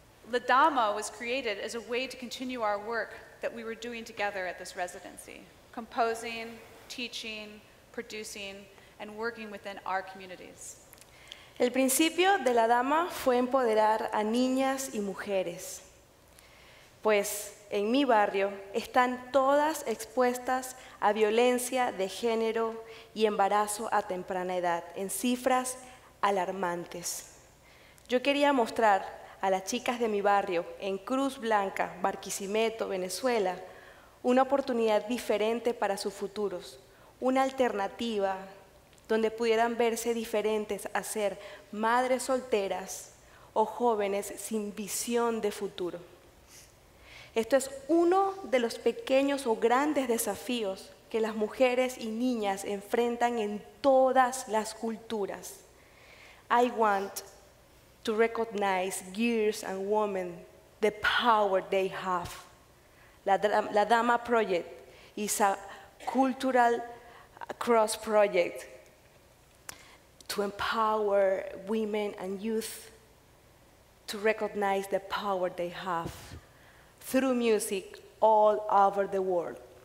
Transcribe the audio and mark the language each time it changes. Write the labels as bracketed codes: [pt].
[en] La Dama was created as a way to continue our work that we were doing together at this residency, composing, teaching, producing, and working within our communities. [es] El principio de La Dama fue empoderar a niñas y mujeres, pues en mi barrio están todas expuestas a violencia de género y embarazo a temprana edad, en cifras alarmantes. Yo quería mostrar a las chicas de mi barrio, en Cruz Blanca, Barquisimeto, Venezuela, una oportunidad diferente para sus futuros, una alternativa donde pudieran verse diferentes a ser madres solteras o jóvenes sin visión de futuro. Esto es uno de los pequeños o grandes desafíos que las mujeres y niñas enfrentan en todas las culturas. [en] I want to recognize girls and women, the power they have. La Dama Project is a cultural cross project to empower women and youth to recognize the power they have through music all over the world.